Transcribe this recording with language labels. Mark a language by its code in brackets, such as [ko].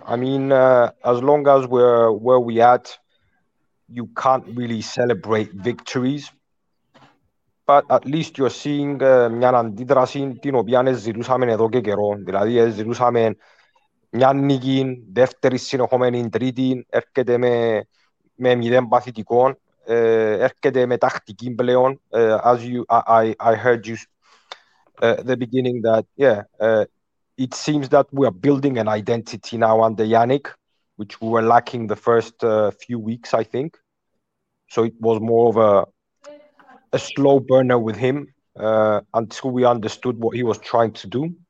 [en] I mean, as long as we're where we at, you can't really celebrate victories. But at least you're seeing [el] μια αντίδραση την οποία ζητούσαμε εδώ και καιρό. Δηλαδή ζητούσαμε μια νίκη, δεύτερη συνεχόμενη τρίτη, έρχεται με μηδέν παθητικό, έρχεται με τακτική πλέον. [en] As you, I heard you at the beginning that, yeah, it seems that we are building an identity now under Yannick, which we were lacking the first few weeks, I think. So it was more of a slow burner with him until we understood what he was trying to do.